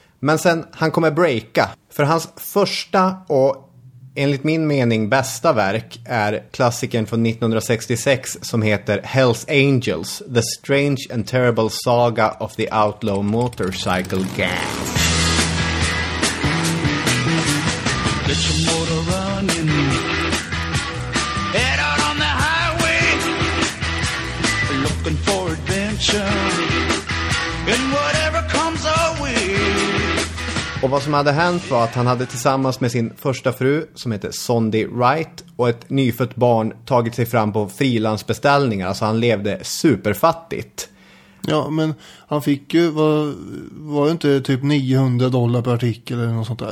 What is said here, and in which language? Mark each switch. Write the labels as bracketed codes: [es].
[sv] Men sen, han kommer breaka, för hans första och enligt min mening bästa verk är klassikern från 1966 som heter Hell's Angels, The Strange and Terrible Saga of the Outlaw Motorcycle Gang. [en] Get your motor running, head out on the highway, looking for adventure and whatever comes our way. [sv] Och vad som hade hänt var att han hade tillsammans med sin första fru, som heter Sondi Wright, och ett nyfött barn tagit sig fram på frilansbeställningar. Alltså han levde superfattigt. Ja, men han fick ju, var det inte typ $900 per artikel eller något sånt där?